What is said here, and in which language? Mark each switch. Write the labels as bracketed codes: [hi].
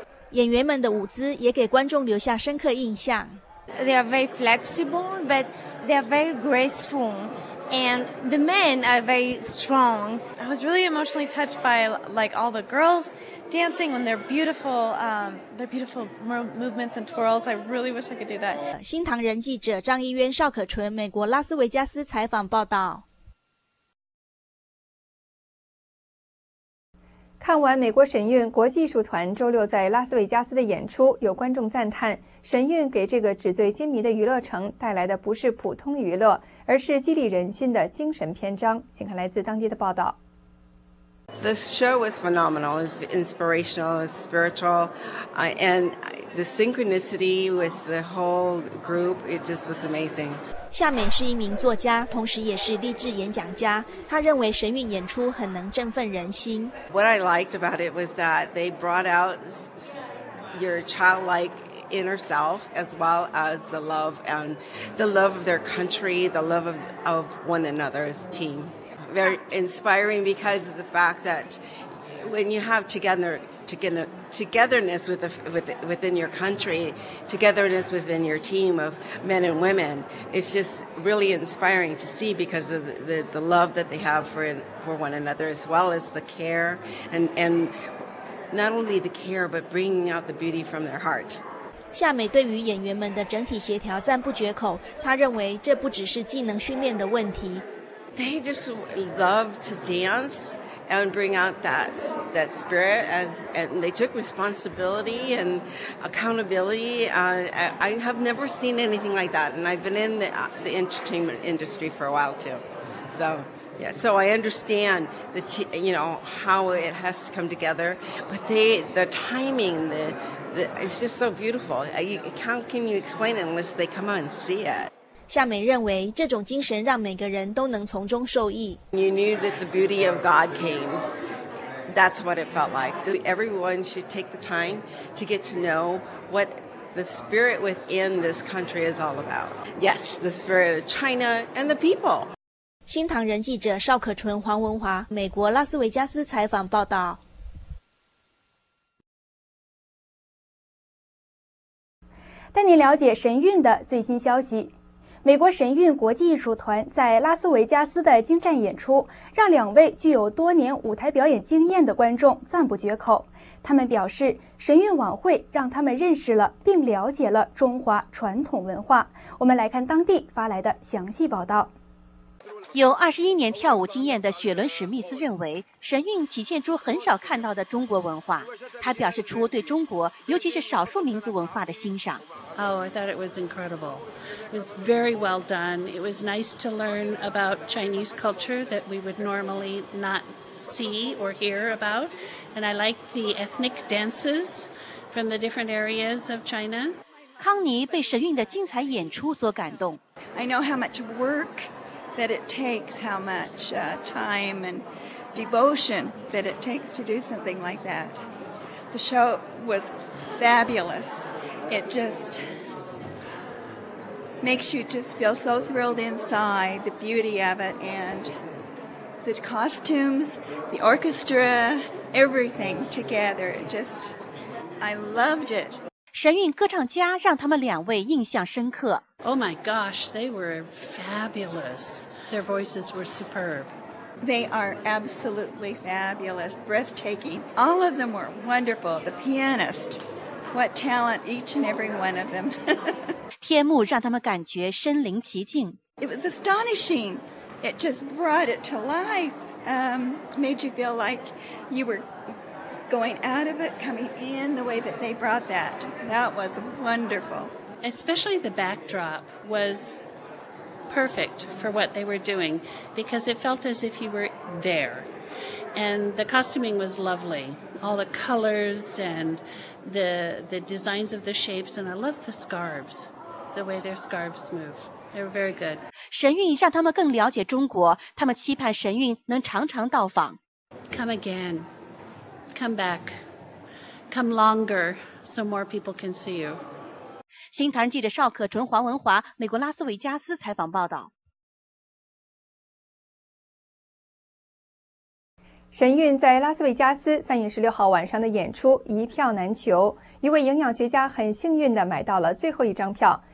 [zh] 演员们的舞姿也给观众留下深刻印象。 [en] They are very flexible, but they are very graceful, and the men are very strong. I was really emotionally touched by like all the girls dancing when their beautiful movements and twirls. I really wish I could do that. [zh] 新唐人记者张一渊、邵可纯，美国拉斯维加斯采访报道。看完美国神韵国际艺术团周六在拉斯维加斯的演出，有观众赞叹，神韵给这个纸醉金迷的娱乐城带来的不是普通娱乐，而是激励人心的精神篇章。请看来自当地的报道。 [en] The show was phenomenal. It's inspirational, it's spiritual, and the synchronicity with the whole group, it just was amazing. [zh] 夏美是一名作家，同时也是励志演讲家。她认为神韵演出很能振奋人心。 [en] What I liked about it was that they brought out your childlike inner self, as well as the love and the love of their country, the love of one another as team. Very inspiring because of the fact that when you have togetherness within your country, togetherness within your team of men and women, it's just really inspiring to see because of the love that they have for one another, as well as the care and not only the care, but bringing out the beauty from their heart. [zh] 夏美对于演员们的整体协调赞不绝口，她认为这不只是技能训练的问题。 [en] They just love to dance and bring out that spirit, and they took responsibility and accountability. I have never seen anything like that, and I've been in the entertainment industry for a while too. So, yeah, so I understand how it has to come together, but the timing, it's just so beautiful. How can you explain it unless they come out and see it? [zh] 夏美认为，这种精神让每个人都能从中受益。 [en] You knew that the beauty of God came. That's what it felt like. Everyone should take the time to get to know what the spirit within this country is all about. Yes, the spirit of China and the people. [zh] 新唐人记者邵可纯、黄文华，美国拉斯维加斯采访报道。带您了解神韵的最新消息。美国神韵国际艺术团在拉斯维加斯的精湛演出，让两位具有多年舞台表演经验的观众赞不绝口。他们表示，神韵晚会让他们认识了并了解了中华传统文化。我们来看当地发来的详细报道。有21年跳舞经验的雪伦·史密斯认为，神韵体现出很少看到的中国文化。他表示出对中国，尤其是少数民族文化的欣赏。 [en] Oh, I thought it was incredible. It was very well done. It was nice to learn about Chinese culture that we would normally not see or hear about. And I liked the ethnic dances from the different areas of China. [zh] 康妮被神韵的精彩演出所感动。 [en] I know how much work that it takes, how much time and devotion that it takes to do something like that. The show was fabulous. it just makes you just feel so thrilled inside, the beauty of it, and the costumes, the orchestra, everything together. Just, I loved it. [zh] 神韵歌唱家让他们两位印象深刻。 [en] Oh my gosh, they were fabulous. Their voices were superb. They are absolutely fabulous, breathtaking. All of them were wonderful. The pianist, what talent each and every one of them. [zh] 天幕让他们感觉身临其境。 [en] It was astonishing. It just brought it to life. Made you feel like you were going out of it, coming in the way that they brought that. That was wonderful. Especially the backdrop was perfect for what they were doing because it felt as if you were there. And the costuming was lovely. All the colors and the designs of the shapes. And I love the scarves, the way their scarves move. They were very good. [zh] 神韵让他们更了解中国，他们期盼神韵能常常到访。 [en] Come again. Come back. Come longer so more people can see you. [zh] 新唐人记者邵可纯、黄文华，美国拉斯维加斯采访报道。神韵在拉斯维加斯3月16号晚上的演出一票难求，一位营养学家很幸运地买到了最后一张票。